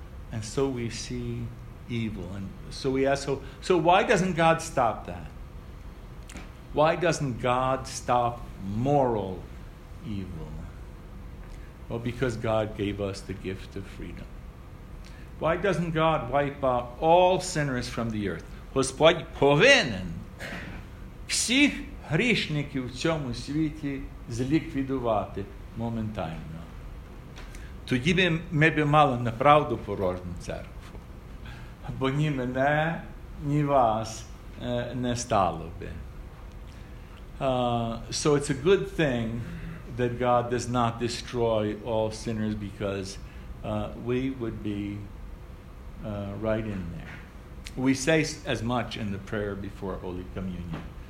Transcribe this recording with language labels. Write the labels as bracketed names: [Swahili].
[English] And so we see evil. And so we ask, so why doesn't God stop that? Why doesn't God stop moral evil? Well, because God gave us the gift of freedom. Why doesn't God wipe out all sinners from the earth? [Ukrainian] Господь повинен всіх грішників в цьому світі зліквідувати моментально. Тоді ми б мали направду порожню церкву. Бо ні мене, ні вас не стало би. [English] So it's a good thing that God does not destroy all sinners, because we would be right in there. We say as much in the prayer before Holy Communion.